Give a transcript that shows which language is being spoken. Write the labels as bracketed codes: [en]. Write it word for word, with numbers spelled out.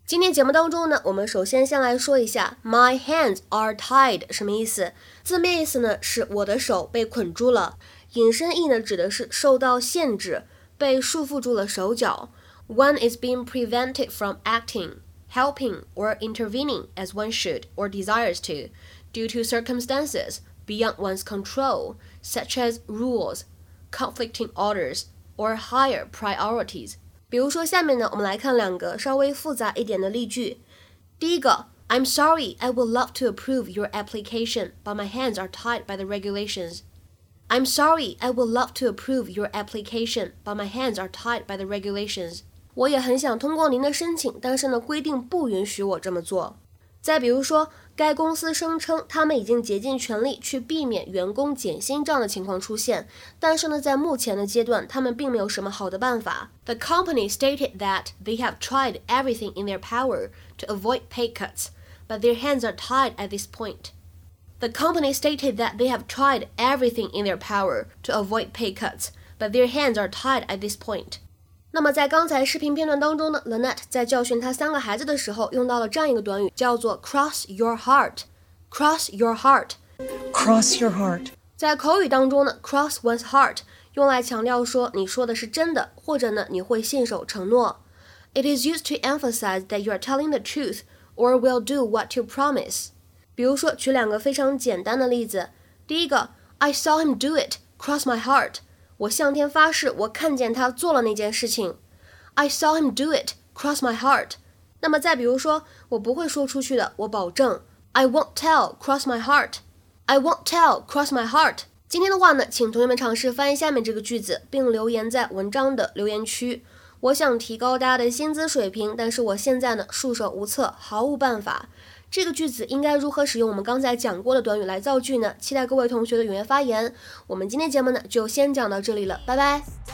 [zh] 今天节目当中呢，我们首先先来说一下 My hands are tied 什么意思？字面意思呢是我的手被捆住了。引申义呢指的是受到限制，被束缚住了手脚。 [en] One is being prevented from acting, helping, or intervening as one should or desires to, due to circumstances beyond one's control, such as rules, conflicting orders, or higher priorities. [zh] 比如说下面呢，我们来看两个稍微复杂一点的例句。 [en] 第一个 I'm sorry, I would love to approve your application, but my hands are tied by the regulations. I'm sorry, I would love to approve your application, but my hands are tied by the regulations. [zh] 我也很想通过您的申请，但是呢，规定不允许我这么做。再比如说，该公司声称他们已经竭尽全力去避免员工减薪这样的情况出现，但是呢，在目前的阶段，他们并没有什么好的办法。 [en] The company stated that they have tried everything in their power to avoid pay cuts, but their hands are tied at this point. The company stated that they have tried everything in their power to avoid pay cuts, but their hands are tied at this point. [zh] 那么在刚才视频片段当中呢 Lynette 在教训她三个孩子的时候用到了这样一个短语叫做 cross your heart. [en] Cross your heart. Cross your heart. [zh] 在口语当中呢 cross one's heart 用来强调说你说的是真的或者呢你会信守承诺。 [en] It is used to emphasize that you are telling the truth or will do what you promise. [zh] 比如说，举两个非常简单的例子。 [en] 第一个，I saw him do it, cross my heart。我向天发誓，我看见他做了那件事情。 I saw him do it, cross my heart。 [zh] 那么再比如说，我不会说出去的，我保证。 [en] I won't tell, cross my heart. I won't tell, cross my heart. [zh] 今天的话呢，请同学们尝试翻译下面这个句子，并留言在文章的留言区。我想提高大家的薪资水平，但是我现在呢，束手无策，毫无办法。这个句子应该如何使用我们刚才讲过的短语来造句呢？期待各位同学的踊跃发言。我们今天节目呢，就先讲到这里了，拜拜。